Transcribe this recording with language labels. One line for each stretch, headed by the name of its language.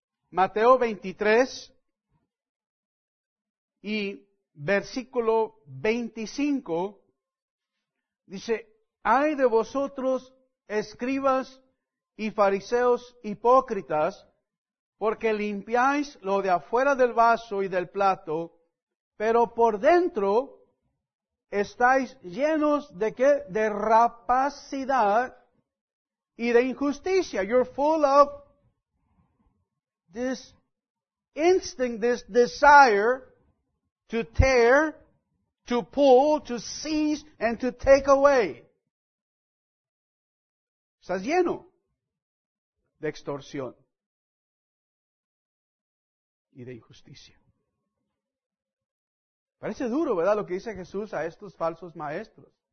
Spanish: Mateo 23 y versículo 25, dice, ay de vosotros, escribas y fariseos hipócritas, porque limpiáis lo de afuera del vaso y del plato, pero por dentro estáis llenos de ¿qué? De rapacidad y de injusticia.
English: You're full of this instinct, this desire to tear, to pull, to seize, and to take away.
Spanish: Estás lleno de extorsión y de injusticia. Parece duro, ¿verdad?, lo que dice Jesús a estos falsos maestros.